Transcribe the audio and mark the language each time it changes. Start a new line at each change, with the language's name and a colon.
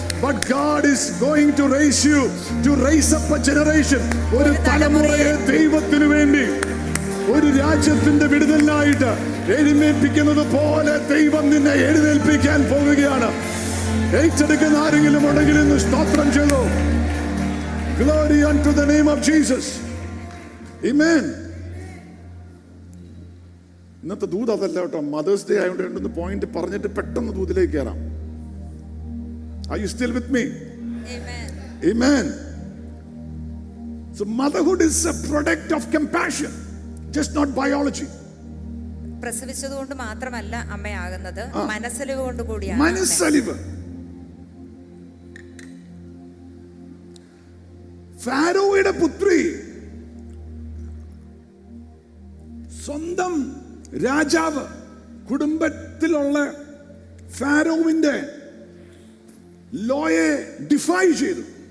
English: But God is going to raise you, to raise up a generation.
Malayalam: ഒരു തലമുറയെ ദൈവത്തിനു വേണ്ടി, ഒരു രാജ്യത്തിന്റെ വിടുതലിനായിട്ട് എഴുന്നേൽപ്പിക്കുന്നത് പോലെ ദൈവം നിന്നെ എഴുന്നേൽപ്പിക്കാൻ പോവുകയാണ്. ഏറ്റെടുക്കുന്ന ആരെങ്കിലും ഉണ്ടെങ്കിൽ ഇന്ന് സ്തോത്രം ചെയ്തു.
English: Glory unto the name of Jesus. Amen.
Malayalam: ഇന്നത്തെ ദൂത് അതല്ല കേട്ടോ, മദേഴ്സ് ഡേ ആയതുകൊണ്ട് രണ്ടൊന്ന് പോയിന്റ് പറഞ്ഞിട്ട് പെട്ടെന്ന് ദൂതിലേക്ക് കയറാം.
English: Are you still with me? Amen. Amen. So motherhood is a product of compassion, just not biology.
Malayalam: പ്രസവിച്ചതു കൊണ്ട് മാത്രമല്ല അമ്മയാകുന്നത്, മനസ്സലിവ് കൊണ്ട് കൂടിയാണ്. മനസ്സലിവ്. ഫാരോയുടെ പുത്രി സ്വന്തം രാജാവ്, കുടുംബത്തിലുള്ള ഫാരോവിന്റെ ലോയെ ഡിഫൈ ചെയ്തു,